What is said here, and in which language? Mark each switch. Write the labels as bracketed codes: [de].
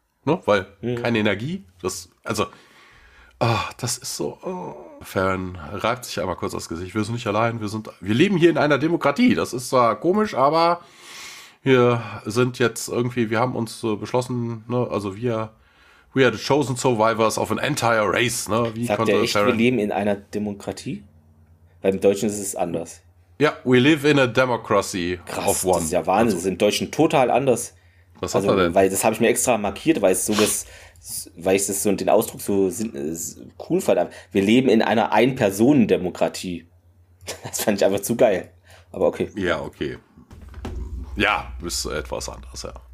[de] Ne? Weil keine Energie. Das, also, oh, das ist so. Oh. Farren reibt sich einmal kurz das Gesicht. Wir sind nicht allein. Wir leben hier in einer Demokratie. Das ist zwar komisch, aber wir sind jetzt irgendwie, wir haben uns beschlossen, ne? Also wir. [en] We are the chosen survivors of an entire race. [de] Ne? Wie sagt konnte der echt, Farren? Wir leben in einer Demokratie? Weil im Deutschen ist es anders. Ja, [en] yeah, we live in a democracy. [de] Krass, [en] of one. [de] Das ist ja Wahnsinn. Also, das ist im Deutschen total anders. Was hat also, er denn? Weil das habe ich mir extra markiert, weil, es so das, weil ich das so den Ausdruck so cool fand. Wir leben in einer Ein-Personen-Demokratie. Das fand ich einfach zu geil. Aber okay. Ja, okay. Ja, ist etwas anders, ja.